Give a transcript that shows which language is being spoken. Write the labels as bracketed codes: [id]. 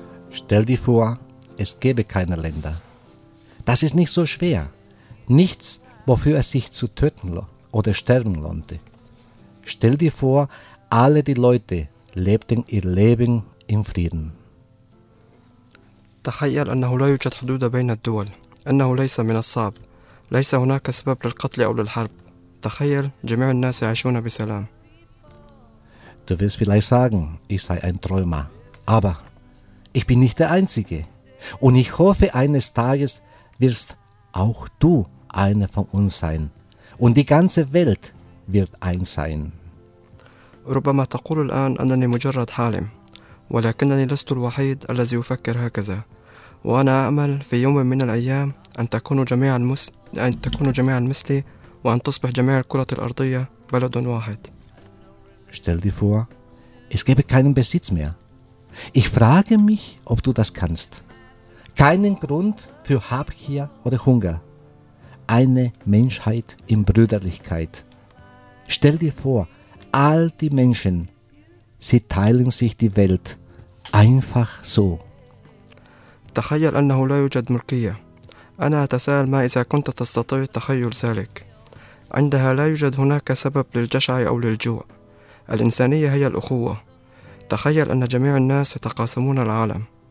[de] Stell dir vor, es gäbe keine Länder. Das ist nicht so schwer. Nichts, wofür es sich zu töten oder sterben lohnte. Stell dir vor, alle die Leute lebten ihr Leben im Frieden. [ar] تخيل أنه لا يوجد حدود بين الدول. أنه ليس من الصعب. ليس هناك سبب للقتل أو للحرب. تخيل جميع الناس يعيشون بسلام. [de] Du wirst vielleicht sagen, ich sei ein Träumer. Aber ich bin nicht der Einzige. Und ich hoffe, eines Tages wirst auch du einer von uns sein. Und die ganze Welt wird eins sein. [ar] ربما تقول الآن أنني مجرد حالم، ولكنني لست الوحيد الذي يفكر هكذا. وأنا أمل في يوم من الأيام أن تكون جميع مثلي وأن تصبح جميع الكرة الأرضية بلد واحد. [de] Stell dir vor, es gäbe keinen Besitz mehr. Ich frage mich, ob du das kannst. Keinen Grund für Habgier oder Hunger. Eine Menschheit in Brüderlichkeit. Stell dir vor, all die Menschen, sie teilen sich die Welt einfach so. [ar] تخيل أنه لا يوجد ملكية. أنا أتساءل ما إذا كنت تستطيع تخيل ذلك. عندها لا يوجد هناك سبب للجشع أو للجوع. الإنسانية هي الأخوة. تخيل أن جميع الناس يتقاسمون العالم.